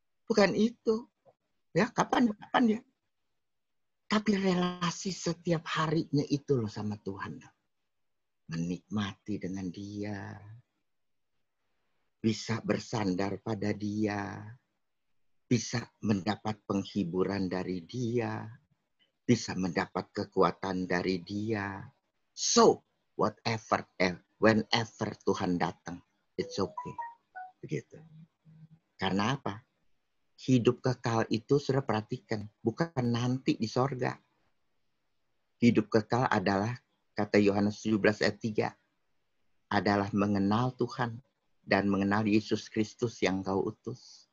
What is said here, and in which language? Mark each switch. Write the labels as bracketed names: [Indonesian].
[Indonesian] Bukan itu. Ya, kapan ya? Tapi relasi setiap harinya itu loh sama Tuhan. Menikmati dengan Dia. Bisa bersandar pada Dia. Bisa mendapat penghiburan dari Dia. Bisa mendapat kekuatan dari Dia. [English] So whatever, whenever [Indonesian] Tuhan datang, [English] it's okay. [Indonesian] Begitu. Karena apa? Hidup kekal itu sudah perhatikan. Bukan nanti di sorga. Hidup kekal adalah, kata Yohanes 17 ayat 3, adalah mengenal Tuhan dan mengenal Yesus Kristus yang kau utus.